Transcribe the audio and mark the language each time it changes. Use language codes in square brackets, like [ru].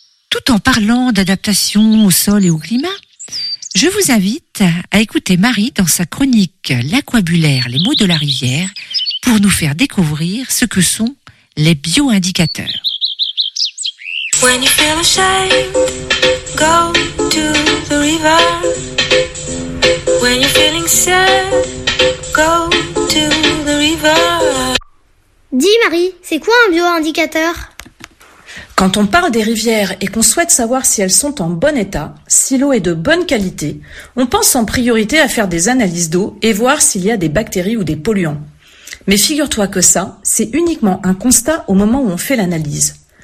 [fr] Tout en parlant d'adaptation au sol et au climat, je vous invite à écouter Marie dans sa chronique « L'aquabulaire, les mots de la rivière » pour nous faire découvrir ce que sont les bio-indicateurs. [en] When you feel ashamed, go to the river. When you're feeling sad, go to the river. [fr] Dis Marie, c'est quoi un bio-indicateur ? Quand on parle des rivières et qu'on souhaite savoir si elles sont en bon état, si l'eau est de bonne qualité, on pense en priorité à faire des analyses d'eau et voir s'il y a des bactéries ou des polluants. Mais figure-toi que ça, c'est uniquement un constat au moment où on fait l'analyse.